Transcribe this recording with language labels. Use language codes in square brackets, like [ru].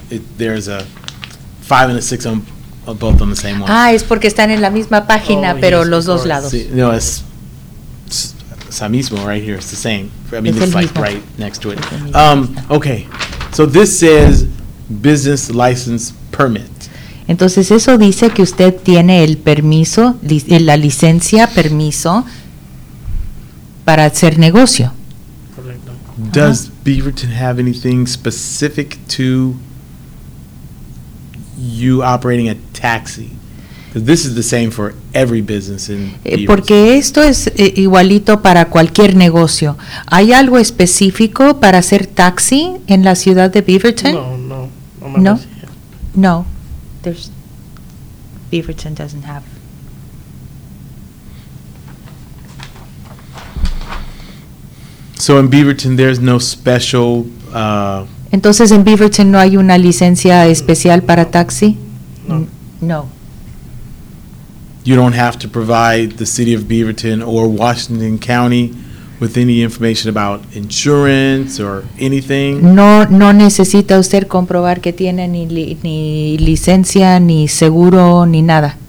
[en] There's a 5 and a 6 on both on the same one. [es] Ah, es porque están en la misma página, pero yes, los dos lados. Sí, no, es el mismo [en] right here. It's the same. I mean, it's like right next to it. Okay. So this says business license permit. [es] Entonces eso dice que usted tiene el permiso, la licencia, permiso para hacer negocio. [en] Does Beaverton have anything specific to you operating a taxi? Because this is the same for every business in Beaverton. [es] Porque esto es igualito para cualquier negocio. ¿Hay algo específico para hacer taxi en la ciudad de Beaverton? No. No. [en] Beaverton doesn't have. So in Beaverton, there's no special. [es] Entonces en Beaverton no hay una licencia especial para taxi. No. [en] You don't have to provide the city of Beaverton or Washington County with any information about insurance or anything. [es] No necesita usted comprobar que tiene ni licencia ni seguro ni nada.